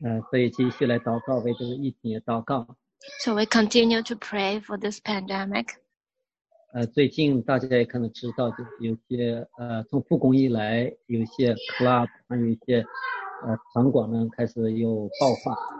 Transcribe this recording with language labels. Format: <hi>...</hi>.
<zh>所以继续来祷告，为这个疫情的祷告。</zh> <en>So we continue to pray for this pandemic.</en> <zh>最近大家也可能知道，有些从复工以来，有些 club 还有一些场馆呢开始又爆发。</zh>